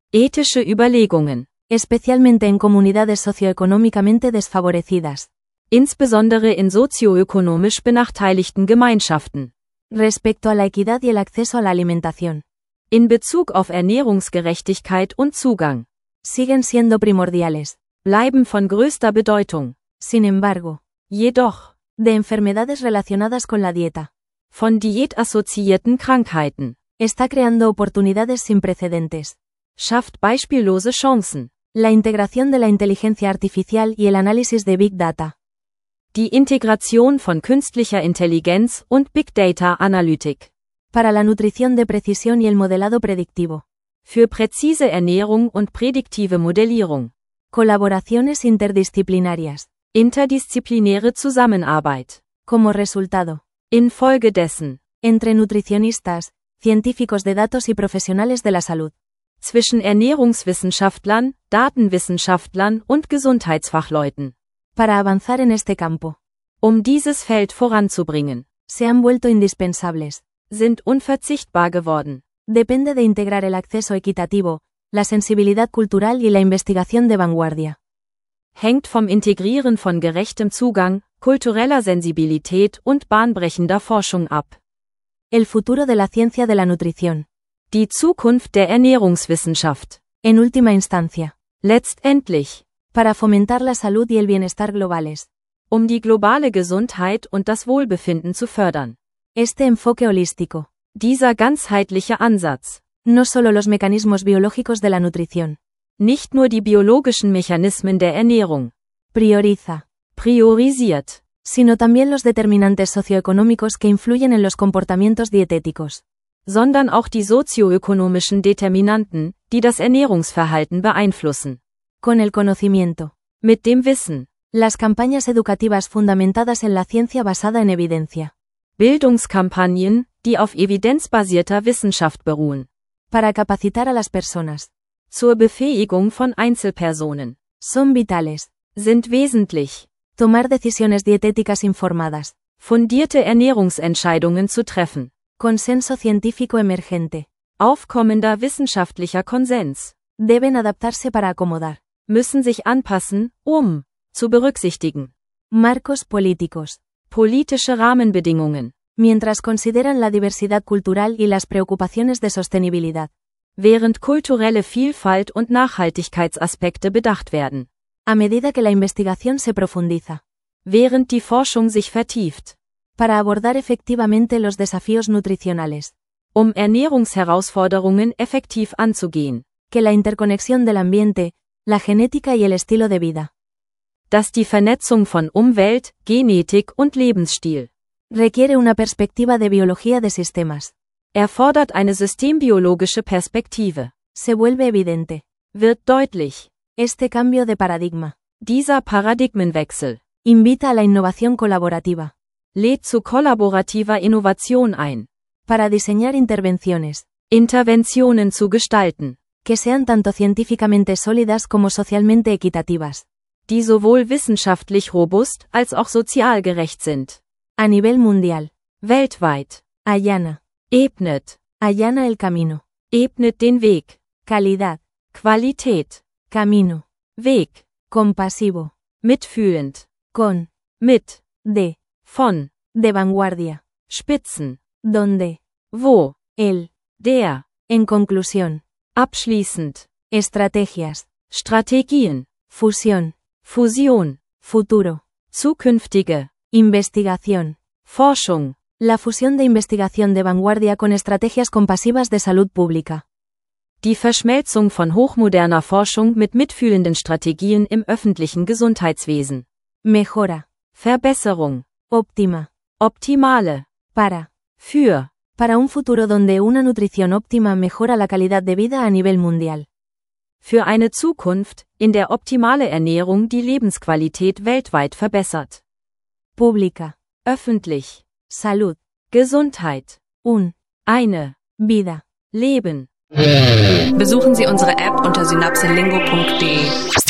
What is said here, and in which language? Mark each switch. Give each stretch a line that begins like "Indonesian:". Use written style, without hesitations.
German: Ethische Überlegungen.
Spanish: Especialmente en comunidades socioeconómicamente desfavorecidas.
German: Insbesondere in sozioökonomisch benachteiligten Gemeinschaften.
Spanish: Respecto a la equidad y el acceso a la alimentación.
German: In Bezug auf Ernährungsgerechtigkeit und Zugang.
Spanish: Siguen siendo primordiales.
German: Bleiben von größter Bedeutung.
Spanish: Sin embargo.
German: Jedoch.
Spanish: De enfermedades relacionadas con la dieta.
German: Von diätassoziierten Krankheiten.
Spanish: Está creando oportunidades sin precedentes.
German: Schafft beispiellose Chancen.
Spanish: La integración de la inteligencia artificial y el análisis de Big Data.
German: Die Integration von künstlicher Intelligenz und Big Data Analytik.
Spanish: Para la nutrición de precisión y el modelado predictivo.
German: Für präzise Ernährung und prädiktive Modellierung.
Spanish: Colaboraciones interdisciplinarias.
German: Interdisziplinäre Zusammenarbeit.
Spanish: Como resultado.
German: Infolgedessen.
Spanish: Entre nutricionistas, científicos de datos y profesionales de la salud.
German: Zwischen Ernährungswissenschaftlern, Datenwissenschaftlern und Gesundheitsfachleuten.
Spanish: Para avanzar en este campo.
German: Um dieses Feld voranzubringen.
Spanish: Se han vuelto indispensables.
German: Sind unverzichtbar geworden.
Spanish: Depende de integrar el acceso equitativo, la sensibilidad cultural y la investigación de vanguardia.
German: Hängt vom Integrieren von gerechtem Zugang, kultureller Sensibilität und bahnbrechender Forschung ab.
Spanish: El futuro de la ciencia de la nutrición.
German: Die Zukunft der Ernährungswissenschaft.
Spanish: En última instancia.
German: Letztendlich.
Spanish: Para fomentar la salud y el bienestar globales.
German: Um die globale Gesundheit und das Wohlbefinden zu fördern.
Spanish: Este enfoque holístico.
German: Dieser ganzheitliche Ansatz.
Spanish: No solo los mecanismos biológicos de la nutrición.
German: Nicht nur die biologischen Mechanismen der Ernährung.
Spanish: Prioriza.
German: Priorisiert.
Spanish: Sino también los determinantes socioeconómicos que influyen en los comportamientos dietéticos.
German: Sondern auch die sozioökonomischen Determinanten, die das Ernährungsverhalten beeinflussen.
Spanish: Con el conocimiento.
German: Mit dem Wissen.
Spanish: Las campañas educativas fundamentadas en la ciencia basada en evidencia.
German: Bildungskampagnen, die auf evidenzbasierter Wissenschaft beruhen.
Spanish: Para capacitar a las personas.
German: Zur Befähigung von Einzelpersonen.
Spanish: Son vitales.
German: Sind wesentlich.
Spanish: Tomar decisiones dietéticas informadas.
German: Fundierte Ernährungsentscheidungen zu treffen.
Spanish: Consenso científico emergente.
German: Aufkommender wissenschaftlicher Konsens.
Spanish: Deben adaptarse para acomodar.
German: Müssen sich anpassen, um zu berücksichtigen.
Spanish: Marcos políticos.
German: Politische Rahmenbedingungen.
Spanish: Mientras consideran la diversidad cultural y las preocupaciones de sostenibilidad.
German: Während kulturelle Vielfalt und Nachhaltigkeitsaspekte bedacht werden.
Spanish: A medida que la investigación se profundiza.
German: Während die Forschung sich vertieft.
Spanish: Para abordar efectivamente los desafíos nutricionales.
German: Um Ernährungsherausforderungen effektiv anzugehen.
Spanish: Que la interconexión del ambiente, la genética y el estilo de vida.
German: Dass die Vernetzung von Umwelt, Genetik und Lebensstil.
Spanish: Requiere una perspectiva de biología de sistemas.
German: Erfordert eine systembiologische Perspektive.
Spanish: Se vuelve evidente.
German: Wird deutlich.
Spanish: Este cambio de paradigma.
German: Dieser Paradigmenwechsel.
Spanish: Invita a la innovación colaborativa.
German: Lädt zu kollaborativer Innovation ein.
Spanish: Para diseñar intervenciones.
German: Interventionen zu gestalten.
Spanish: Que sean tanto científicamente sólidas como socialmente equitativas.
German: die sowohl wissenschaftlich robust als auch sozial gerecht sind.
Spanish: A nivel mundial.
German: Weltweit.
Spanish: Allana.
German: Ebnet.
Spanish: Allana el camino.
German: Ebnet den Weg.
Spanish: Calidad.
German: Qualität.
Spanish: Camino.
German: Weg.
Spanish: Compasivo.
German: Mitfühlend.
Spanish: Con.
German: Mit.
Spanish: De.
German: Von.
Spanish: De vanguardia.
German: Spitzen.
Spanish: Donde.
German: Wo.
Spanish: El.
German: Der.
Spanish: En conclusión.
German: Abschließend.
Spanish: Estrategias.
German: Strategien.
Spanish: Fusión.
German: Fusion.
Spanish: Futuro.
German: Zukünftige.
Spanish: Investigación.
German: Forschung.
Spanish: La fusión de investigación de vanguardia con estrategias compasivas de salud pública.
German: Die Verschmelzung von hochmoderner Forschung mit mitfühlenden Strategien im öffentlichen Gesundheitswesen.
Spanish: Mejora.
German: Verbesserung.
Spanish: Optima.
German: Optimale.
Spanish: Para.
German: Für.
Spanish: Para un futuro donde una nutrición óptima mejora la calidad de vida a nivel mundial.
German: Für eine Zukunft, in der optimale Ernährung die Lebensqualität weltweit verbessert.
Spanish: Pública.
German: Öffentlich.
Spanish: Salud.
German: Gesundheit.
Spanish: Un.
German: Eine.
Spanish: Vida.
German: Leben. Besuchen Sie unsere App unter synapselingo.de.